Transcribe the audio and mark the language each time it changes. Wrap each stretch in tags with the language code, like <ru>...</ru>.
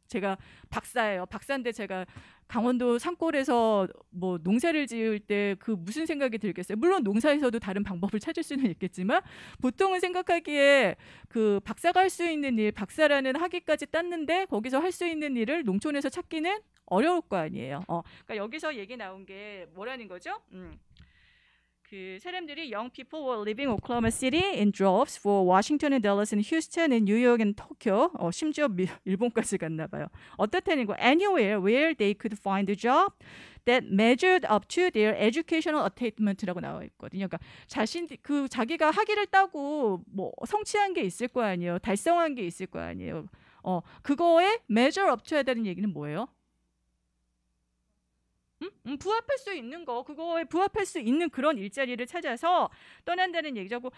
<ko>제가 박사예요. 박사인데 제가 강원도 산골에서 뭐 농사를 지을 때 그 무슨 생각이 들겠어요? 물론 농사에서도 다른 방법을 찾을 수는 있겠지만 보통은 생각하기에 그 박사가 할 수 있는 일, 박사라는 학위까지 땄는데 거기서 할 수 있는 일을 농촌에서 찾기는 어려울 거 아니에요. 그러니까 여기서 얘기 나온 게 뭐라는 거죠? 그 사람들이</ko> <en>young people were living Oklahoma City in droves for Washington and Dallas and Houston and New York and Tokyo.</en> <ko>심지어 일본까지 갔나 봐요. 어떻다는 거?</ko> <en>Anywhere where they could find a job that measured up to their educational attainment라고</en> <ko>나와 있거든요. 그러니까 자기가 학위를 따고 뭐 성취한 게 있을 거 아니에요. 달성한 게 있을 거 아니에요. 그거에</ko> <en>measure up to</en> <ko>해야 되는 얘기는 뭐예요? 부합할 수 있는 거, 그거에 부합할 수 있는 그런 일자리를 찾아서 떠난다는 얘기죠.</ko>